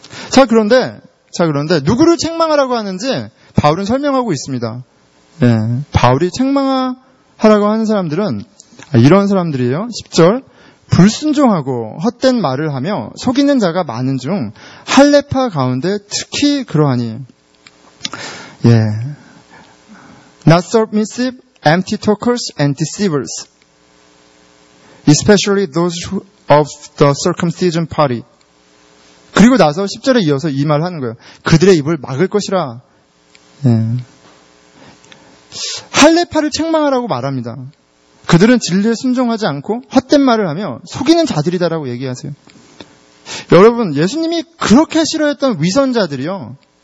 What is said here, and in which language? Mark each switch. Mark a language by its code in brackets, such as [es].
[ko] 자, 그런데 누구를 책망하라고 하는지 바울은 설명하고 있습니다. 예. 바울이 책망하라고 하는 사람들은 이런 사람들이에요. 10절. 불순종하고 헛된 말을 하며 속이는 자가 많은 중 할례파 가운데 특히 그러하니. 예. [en] Not submissive, empty talkers, and deceivers. Especially those of the circumcision party. [ko] 그리고 나서 10절에 이어서 이 말을 하는 거예요. 그들의 입을 막을 것이라. 예. 할례파를 책망하라고 말합니다. 그들은 진리에 순종하지 않고 헛된 말을 하며 속이는 자들이다라고 얘기하세요. 여러분, 예수님이 그렇게 싫어했던 위선자들이요.